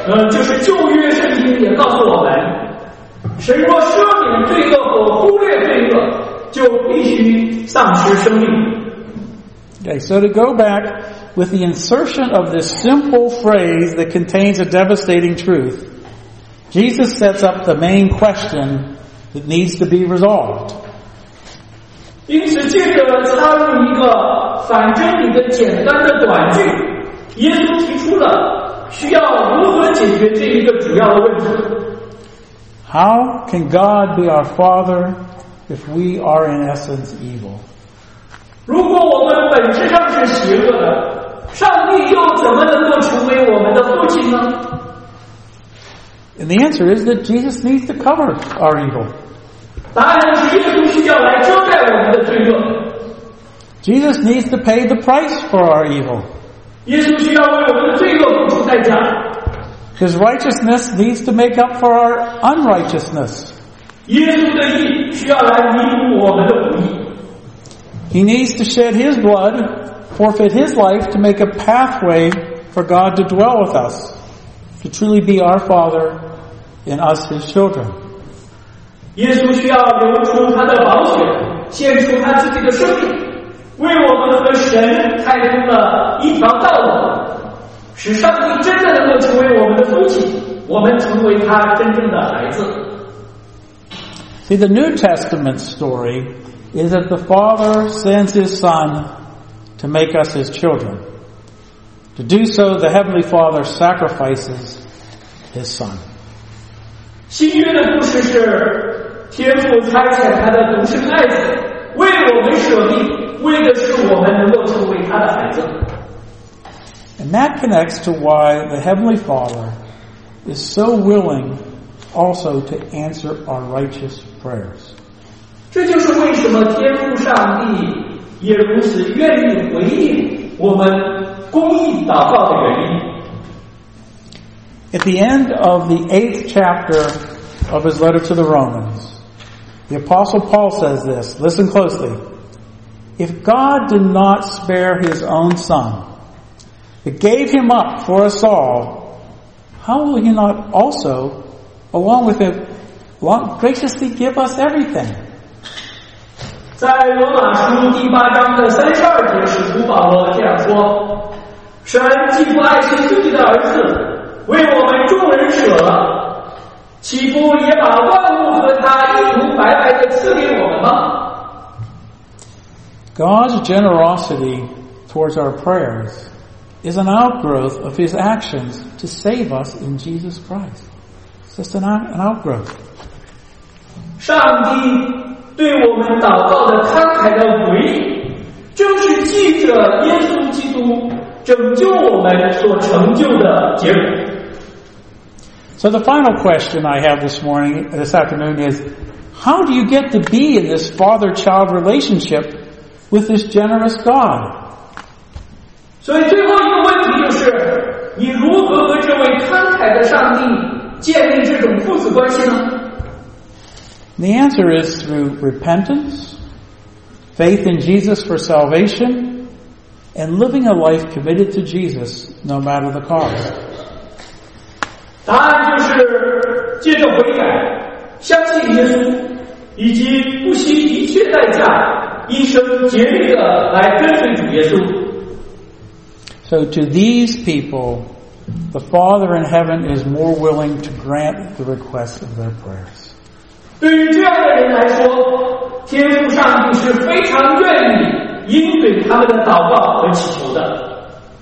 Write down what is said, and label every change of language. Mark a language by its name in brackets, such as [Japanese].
[Chinese] 就是旧约圣经也告诉我们，谁若赦免罪恶或忽略罪恶，就必须丧失生命。 [English] Okay, so to go back with the insertion of this simple phrase that contains a devastating truth, Jesus sets up the main question that needs to be resolved. [Chinese] 因此借着插入一个反真理的简单的短句，耶稣提出了需要如何解决这一个主要的问题。 [English] How can God be our Father if we are in essence evil? [Chinese] 如果我们本质上是邪恶的，上帝又怎么能够成为我们的父亲呢？ [English] And the answer is that Jesus needs to cover our evil. [Chinese] 答案是耶稣需要来遮盖我们的罪恶。 [English] Jesus needs to pay the price for our evil. [Chinese] 耶稣需要为我们的罪恶付出代价。 [English] His righteousness needs to make up for our unrighteousness. [Chinese] 耶稣的义需要来弥补我们的不义。 [English] He needs to shed his blood, forfeit his life to make a pathway for God to dwell with us, to truly be our Father and us his children. [Chinese] 耶稣需要流出他的宝血，献出他自己的生命，为我们和神开通了一条道路，使上帝真的能够成为我们的父亲，我们成为他真正的孩子。 [English] See, the New Testament story is that the Father sends His Son to make us His children. To do so, the Heavenly Father sacrifices His Son. [Chinese] 新约的故事是天父差遣他的独生爱子为我们舍命，为的是我们能够成为他的孩子。 [English] And that connects to why the Heavenly Father is so willing also to answer our righteous prayers. [Chinese] 这就是为什么天父上帝也如此愿意回应我们公义祷告的原因。 [English] At the end of the 8th chapter of his letter to the Romans, the Apostle Paul says this, listen closely, If God did not spare his own son, but gave him up for us all, how will he not also, along with him, graciously give us everything? [Chinese] 在罗马书第八章的32节，使徒保罗这样说：神既不爱惜自己的儿子，为我们众人舍了，岂不也把万物和他一同白白的赐给我们吗？ [English] God's generosity towards our prayers is an outgrowth of his actions to save us in Jesus Christ. It's just an outgrowth. [Chinese] 上帝对我们祷告的慷慨的回应，正是记着耶稣基督拯救我们所成就的结果。 [English] So the final question I have this morning, this afternoon is, how do you get to be in this father-child relationship with this generous God? [Chinese] 所以最后一个问题就是，你如何和这位慷慨的上帝建立这种父子关系呢？ [English] The answer is through repentance, faith in Jesus for salvation, and living a life committed to Jesus no matter the cost. [Chinese] 答案就是借着悔改，相信耶稣，以及不惜一切代价，一生竭力的来跟随主耶稣。 [English] So to these people, the Father in heaven is more willing to grant the requests of their prayers. [Chinese] 对于这样的人来说，天父上帝是非常愿意应允他们的祷告和祈求的。